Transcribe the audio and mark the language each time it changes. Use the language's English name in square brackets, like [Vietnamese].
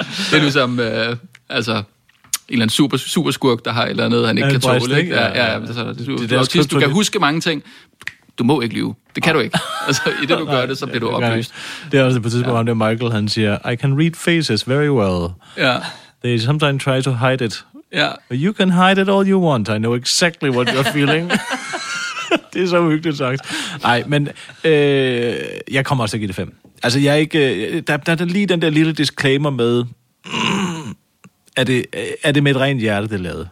[Danish] det er ligesom, en eller anden super, super skurk, der har et eller andet, han ikke kan tåle. Ikke? Du kan huske mange ting. Du må ikke lyve. Det kan du ikke. Altså, i det, du gør det, så bliver du oplyst. Det er også på tidspunkt, hvor Michael han siger, [English] I can read faces very well. Yeah. They sometimes try to hide it. Yeah. But you can hide it all you want. I know exactly what you're feeling. [Danish] Det er så hyggeligt sagt. Nej, men jeg kommer også til at give det 5. Altså, jeg er ikke... Der er lige den der lille disclaimer med... Er det med et rent hjerte, det er lavet?